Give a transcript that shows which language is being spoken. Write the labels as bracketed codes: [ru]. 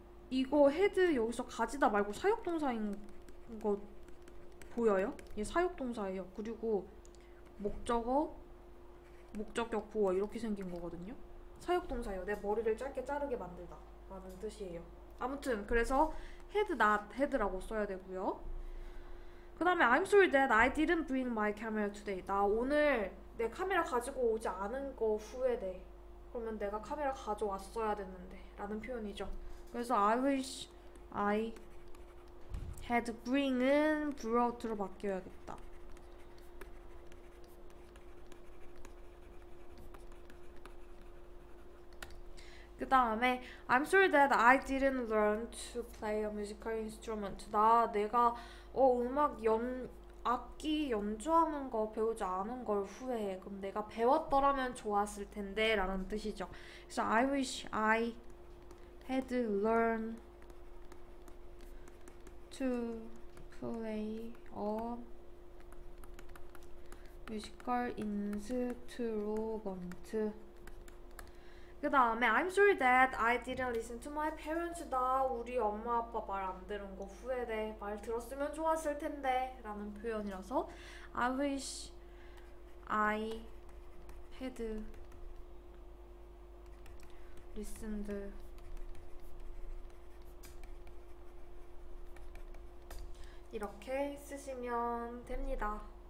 [ko] 이거 헤드 여기서 가지다 말고 사역동사인 거 보여요? 얘 사역동사예요. 그리고 목적어, 목적격 보어 이렇게 생긴 거거든요. 사역동사예요. 내 머리를 짧게 자르게 만들다 라는 뜻이에요. 아무튼 그래서 헤드 not 헤드라고 써야 되고요. 그 다음에 [en] I'm sorry that I didn't bring my camera today. [ko] 나 오늘 내 카메라 가지고 오지 않은 거 후회돼. 그러면 내가 카메라 가져왔어야 됐는데 라는 표현이죠. 그래서 [en] I wish I had bring은 brought로 [ko] 바뀌어야겠다. 그 다음에 [en] I'm sorry that I didn't learn to play a musical instrument. [ko] 나 내가 음악 연 악기 연주하는 거 배우지 않은 걸 후회해. 그럼 내가 배웠더라면 좋았을 텐데 라는 뜻이죠. 그래서 [en] I wish I had learned to play a musical instrument. [ko] 그 다음에 [en] I'm sorry that I didn't listen to my parents. [ko] 나 우리 엄마 아빠 말 안 들은 거 후회돼. 말 들었으면 좋았을 텐데 라는 표현이라서 [en] I wish I had listened to [ko] 이렇게 쓰시면 됩니다.